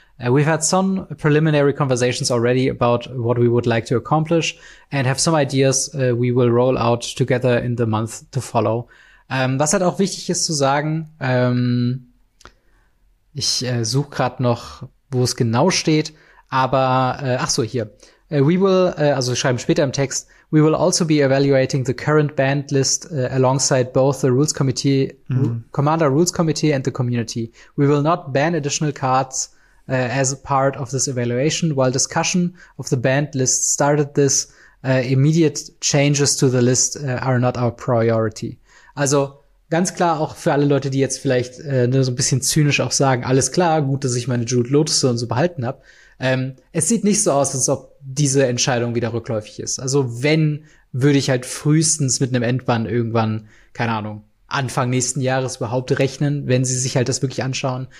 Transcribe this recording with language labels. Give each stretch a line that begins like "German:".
English: We've had some preliminary conversations already about what we would like to accomplish and have some ideas we will roll out together in the month to follow.
German: Was halt auch wichtig ist zu sagen, ich suche gerade noch, wo es genau steht, aber ach so, hier.
English: We will,
German: also schreiben später im Text,
English: we will also be evaluating the current banned list alongside both the Rules Committee, Commander Rules Committee and the community. We will not ban additional cards as a part of this evaluation. While discussion of the banned list started this, immediate changes to the list are not our priority.
German: Also ganz klar auch für alle Leute, die jetzt vielleicht nur so ein bisschen zynisch auch sagen, alles klar, gut, dass ich meine Jude Lotus und so behalten habe. Es sieht nicht so aus, als ob diese Entscheidung wieder rückläufig ist. Also wenn, würde ich halt frühestens mit einem Endbann irgendwann, keine Ahnung, Anfang nächsten Jahres überhaupt rechnen, wenn sie sich halt das wirklich anschauen.